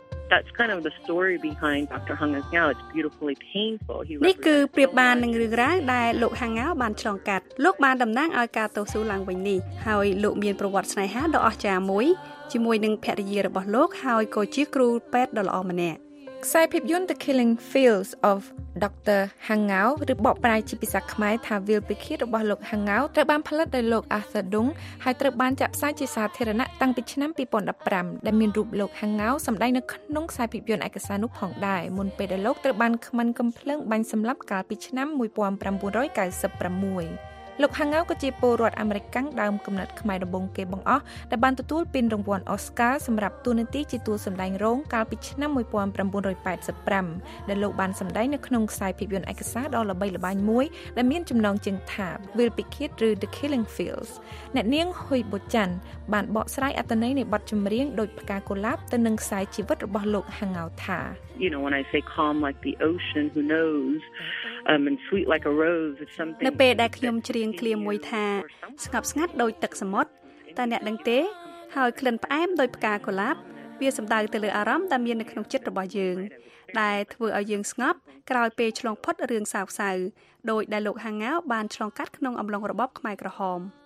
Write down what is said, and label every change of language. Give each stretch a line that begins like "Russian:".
English: That's kind of the story behind Dr. Hangao. It's beautifully painful.
Khmer: នេះគឺប្រៀបបាននឹងរឿងរ៉ាវដែលលោក Hangao បានឆ្លងកាត់លោកបានតំណាងឲ្យការតស៊ូឡើងវិញនេះហើយលោកមានប្រវត្តិស្នេហាដ៏អស្ចារ្យមួយជាមួយនឹងភរិយារបស់លោកហើយក៏ជាគ្រូពេទ្យដ៏ល្អម្នាក់ខ្សែភាពយន្ត The Killing Fields of Dr. Hangao ឬបកប្រែជាភាសាខ្មែរថាវាលពិឃាតរបស់លោក Hangao ត្រូវបានផលិតដោយលោក Arthur Dung ហើយត្រូវបានចាក់ផ្សាយជាសាធារណៈតាំងពីឆ្នាំ2015ដែលមានរូបលោក Hangao សម្ដែងនៅក្នុងខ្សែភាពយន្តឯកសារនោះផងដែរមុនពេលដែលលោកត្រូវបានខ្មិនកំភ្លើងបាញ់សម្លាប់កាលពីឆ្នាំ1996 លោក Hangao ក៏ជាពលរដ្ឋអាមេរិកកាំងដើមកំណត់ខ្មែរដំបូងគេបង្អស់ដែលបានទទួលពានរង្វាន់អូស្ការសម្រាប់តួនាទីជាតួសម្ដែងរងកាលពីឆ្នាំ1985ដែលលោកបានសម្ដែងនៅក្នុងខ្សែភាពយន្តឯកសារដ៏ល្បីល្បាញមួយដែលមានចំណងជើងថា Will Pickett ឬ The Killing Fields អ្នកនាងហ៊ុយបូចាន់បានបកស្រាយអត្ថន័យនៃបទចម្រៀងដូចផ្កាកុលាបទៅនឹងខ្សែជីវិតរបស់លោក Hangao ថា
English: You know, when I say calm like the ocean, who knows, and sweet like a rose, it's something...
Khmer: នៅពេលដែលខ្ញុំច្រៀងឃ្លាមួយថាស្ងប់ស្ងាត់ដោយទឹកសមុទ្រតើអ្នកដឹងទេហើយក្លិនផ្អែមដោយផ្កាកុលាបវាសម្ដៅទៅលើអារម្មណ៍ដែលមាននៅក្នុងចិត្តរបស់យើងដែលធ្វើឲ្យយើងស្ងប់ក្រោយពេលឆ្លងផុតរឿងសោកសៅដោយដែលលោក Hangao បានឆ្លងកាត់ក្នុងអំឡុងរបបខ្មែរក្រហម